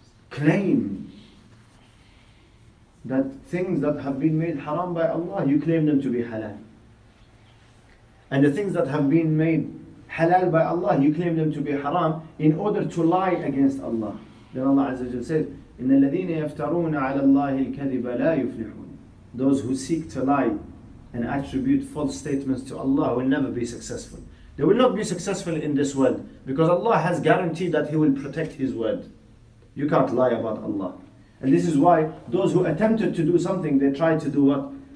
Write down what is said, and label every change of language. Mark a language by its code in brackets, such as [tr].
[en] Do not claim that things that have been made haram by Allah, you claim them to be halal. And the things that have been made halal by Allah, you claim them to be haram in order to lie against Allah. Then Allah Azza wa Jalla says, [ar] إِنَّ الَّذِينَ يَفْتَرُونَ عَلَى اللَّهِ الْكَذِبَ لَا يُفْلِحُونَ. [en] Those who seek to lie and attribute false statements to Allah will never be successful. They will not be successful in this world because Allah has guaranteed that He will protect His word. You can't lie about Allah. And this is why those who attempted to do something, they tried to do what?